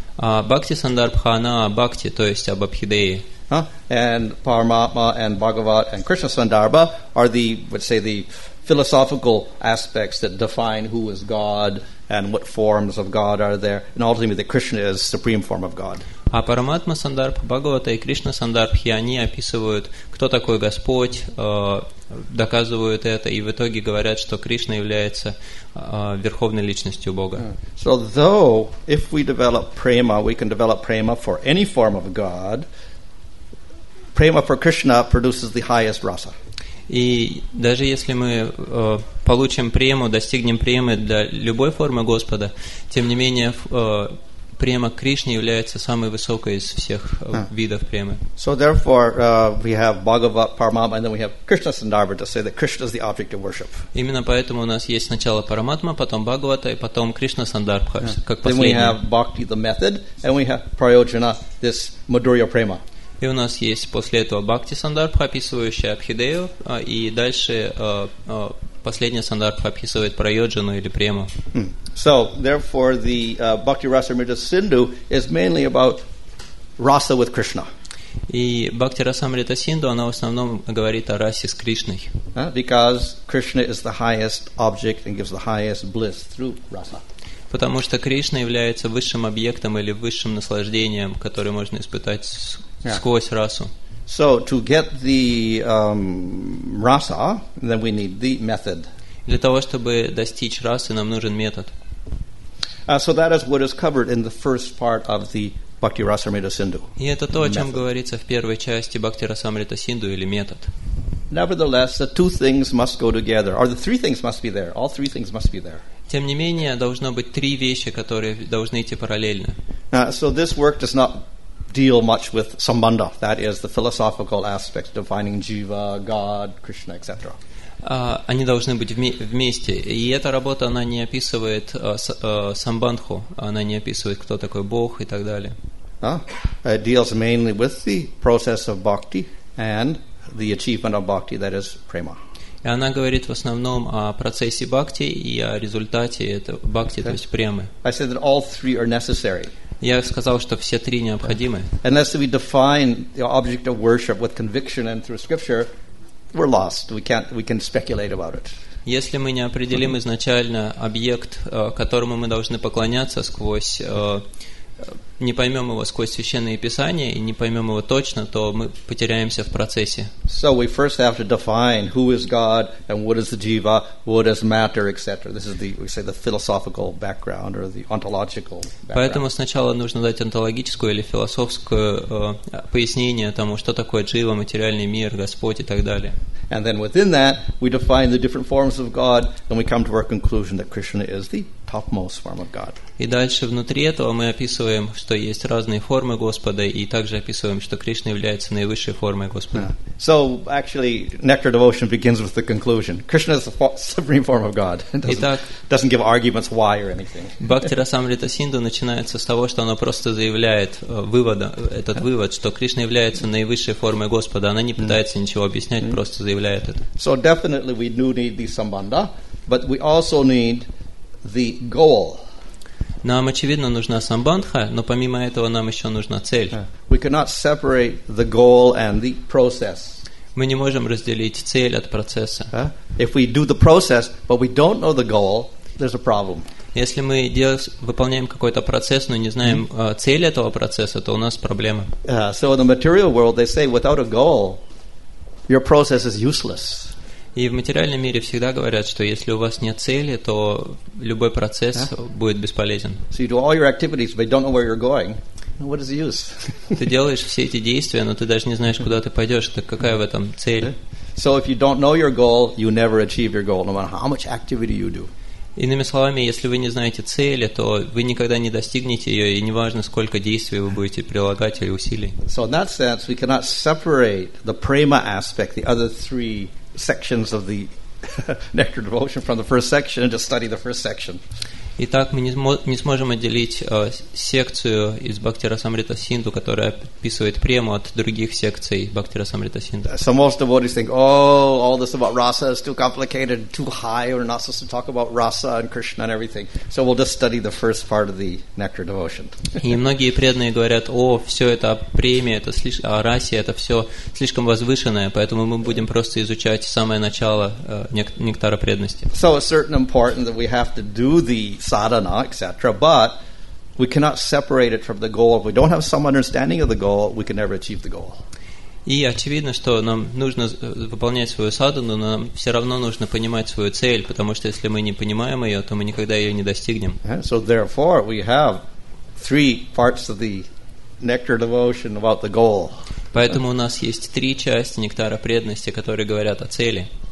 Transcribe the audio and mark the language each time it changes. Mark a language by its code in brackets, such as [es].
[ru] Bhakti sandarbha na bhakti, то есть об абхидее. [en] And paramatma and bhagavat and krishna sandarbha are the, let's say, the philosophical aspects that define who is God and what forms of God are there, and ultimately that Krishna is supreme form of God. [ru] А параматма сандарбха, бхагавата и кришна сандарбхи, они описывают, кто такой Господь, доказывают это и в итоге говорят, что Кришна является верховной личностью Бога. [en] So though if we develop prema, we can develop prema for any form of God. Prema for Krishna produces the highest rasa. [ru] И даже если мы получим прему, достигнем премы для любой формы Господа, тем не менее према Кришне является самой высокой из всех видов премы. [en] So therefore, we have Bhagavat Paramatma, and then we have Krishna Sandarbha to say that Krishna is the object of worship. [ru] Именно поэтому у нас есть сначала Параматма, потом Бхагавата, и потом Кришна Сандарбха, как последний. [en] Then we have Bhakti, the method, and we have Prayojana, this Madhurya Prema. [ru] И у нас есть после этого Бхакти Сандарбха, описывающая Абхидею, и дальше последняя Сандарбха описывает Прайоджану или Прему. [en] So, therefore, the Bhakti Rasamrita Sindhu is mainly about Rasa with Krishna. [ru] И Бхакти Расамрита Синдху, она в основном говорит о расе с Кришной. [en] Because Krishna is the highest object and gives the highest bliss through Rasa. [ru] Потому что Кришна является высшим объектом или высшим наслаждением, которое можно испытать сквозь расу. [en] So, to get the Rasa, then we need the method. [ru] Для того, чтобы достичь расы, нам нужен метод. [en] So that is what is covered in the first part of the Bhakti Rasamrita Sindhu. [ru] И это то, о чем говорится в первой части Bhakti Rasamrita Sindhu или метод. [en] Nevertheless, the two things must go together, or the three things must be there. All three things must be there. [ru] Тем не менее, должно быть три вещи, которые должны идти параллельно. [en] So this work does not deal much with sambandha, that is the philosophical aspect, defining jiva, God, Krishna, etc. [ru] Они должны быть вместе. И эта работа, она не описывает самбандху, она не описывает, кто такой Бог и так далее. [en] It deals mainly with the process of bhakti and the achievement of bhakti, that is prema. [ru] И она говорит в основном о процессе бхакти и о результате этого бхакти, то есть премы. [en] I said that all three are necessary. [ru] Я сказал, что все три необходимы. [en] Unless we define the object of worship with conviction and through scripture, we're lost. We can speculate about it. [ru] Если мы не определим изначально объект, которому мы должны поклоняться сквозь, не поймем его сквозь священные писания и не поймем его точно, то мы потеряемся в процессе. [en] So we first have to define who is God and what is the jiva, what is matter, etc. This is the, we say, the philosophical background or the ontological background. [ru] Поэтому сначала нужно дать онтологическую или философское пояснение тому, что такое джива, материальный мир, Господь и так далее. [en] And then within that, we define the different forms of God, and we come to our conclusion that Krishna is the topmost form of God. [ru] И дальше внутри этого мы описываем, что есть разные формы Господа, и также описываем, что Кришна является наивысшей формой Господа. [en] So actually, Nectar Devotion begins with the conclusion: Krishna is the supreme form of God. Doesn't give arguments why or anything. [ru] Бхакти Расамрита Синдху начинается с того, что она просто заявляет этот вывод, что Кришна является наивысшей формой Господа. Она не пытается ничего объяснять, просто заявляет это. [en] So definitely we do need the sambandha, but we also need the goal. [ru] Нам, очевидно, нужна самбандха, но помимо этого нам еще нужна цель. [en] We cannot separate the goal and the process. [ru] Мы не можем разделить цель от процесса. [en] If we do the process, but we don't know the goal, there's a problem. [ru] Если мы выполняем какой-то процесс, но не знаем цель этого процесса, то у нас проблема. [en] So in the material world, they say, without a goal, your process is useless. [ru] И в материальном мире всегда говорят, что если у вас нет цели, то любой процесс будет бесполезен. [en] So you do all your activities, but you don't know where you're going. What is the use? [ru] Ты делаешь все эти действия, но ты даже не знаешь, куда ты пойдешь. Так какая в этом цель? [en] So if you don't know your goal, you never achieve your goal, no matter how much activity you do. [ru] Иными словами, если вы не знаете цели, то вы никогда не достигнете ее, и неважно, сколько действий вы будете прилагать или усилий. [en] So in that sense, we cannot separate the prema aspect, the other three sections of the Nectar Devotion from the first section and just study the first section. [ru] Итак, мы не сможем отделить секцию из Бхакти Расамрита Синдху, которая описывает прему, от других секций Бхакти Расамрита Синдху. [en] So most devotees think, oh, all this about rasa is too complicated, too high, we're not supposed to talk about rasa and Krishna and everything. So we'll just study the first part of the Nectar Devotion. [ru] И многие преданные говорят, о, все это премия, это слишком, о расе, это все слишком возвышенное, поэтому мы будем просто изучать самое начало нектара преданности. [en] So it's certainly important that we have to do the sadhana, etc., but we cannot separate it from the goal. If we don't have some understanding of the goal, we can never achieve the goal. [ru] И очевидно, что нам нужно выполнять свою садхану, но нам все равно нужно понимать свою цель, потому что если мы не понимаем ее, то мы никогда ее не достигнем. [en] So therefore, we have three parts of the Nectar Devotion about the goal. [ru] Поэтому у нас есть три части Нектара Преданности, которые говорят о цели.